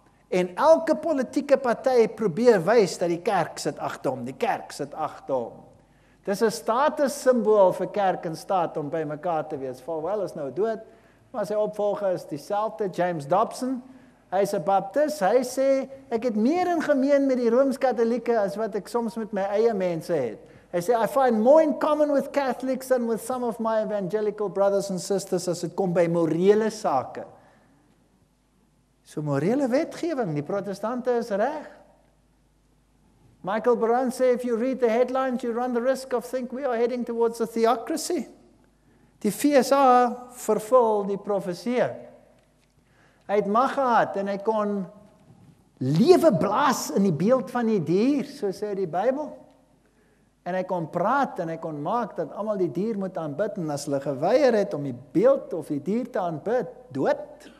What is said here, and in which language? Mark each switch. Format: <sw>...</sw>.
<af>En elke politieke party probeer wys dat die kerk sit agter hom, die kerk sit agter hom. Dis 'n status simbool vir kerk en staat om by mekaar te wees. Valwell is nou dood, maar sy opvolger is dieselfde, James Dobson. Hy is 'n baptist, hy sê, ek het meer in gemeen met die Rooms-Katolieke as wat ek soms met my eie mense het. Hy sê,</af> <en>I find more in common with Catholics than with some of my evangelical brothers and sisters</en> <af>as het kom by morele sake. So morele wetgewing, die protestante is reg. Michael Baran sê,</af> <en>if you read the headlines, you run the risk of think we are heading towards a theocracy.</en> <af>Die VSA vervul die profesie. Hy het mag gehad en hy kon lewe blaas in die beeld van die dier, so sê die Bybel. En hy kon praat en hy kon maak dat allemaal die dier moet aanbid en as hulle geweier het om die beeld of die dier te aanbid, dood.</af>